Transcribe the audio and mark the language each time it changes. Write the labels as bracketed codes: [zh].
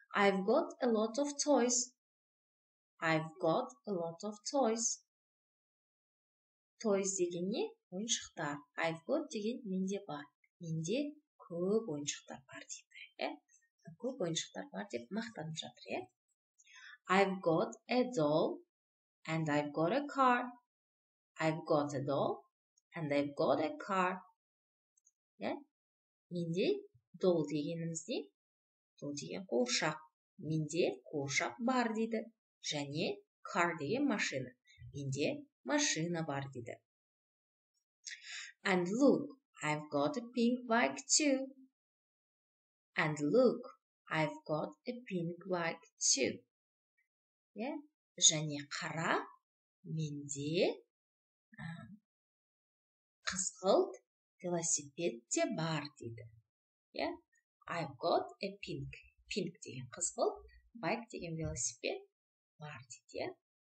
[en] I've got a lot of toys. I've got a lot of toys. [kk] Toys деген не? Ойыншықтар. [en] I've got [kk] деген менде бар. Менде көп ойыншықтар бар дейді. Көп ойыншықтар бар деп мақтанып жатыр. [en] I've got a doll and I've got a car. I've got a doll and I've got a car. [kk] Менде doll дегеніміз не? Doll деген қуыршақ. Менде қуыршақ бар дейді. Және car деген машина. Менде машина бар дейді. [en] And look, I've got a pink bike too. And look, I've got a pink bike too. Yeah? [kk] Және қара, менде қызғылт велосипед те бар дейді. [en] Yeah? I've got a pink. [kk] Pink деген қызғылт, bike деген велосипед бар дейді.